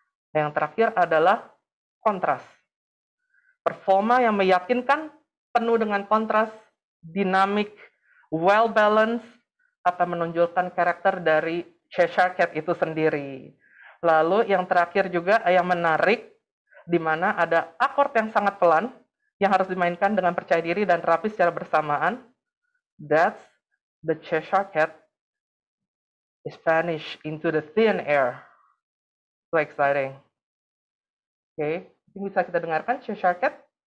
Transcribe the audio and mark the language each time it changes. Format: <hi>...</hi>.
<id>Yang terakhir adalah kontras. Performa yang meyakinkan, penuh dengan kontras, dinamik, well-balanced, akan menunjukkan karakter dari Cheshire Cat itu sendiri. Lalu yang terakhir juga yang menarik, di mana ada akord yang sangat pelan, yang harus dimainkan dengan percaya diri dan rapi secara bersamaan.</id> <en>That's the Cheshire Cat. It's vanished into the thin air. So exciting.</en> <id>Okay, ini bisa kita dengarkan Cheshire Cat.</id>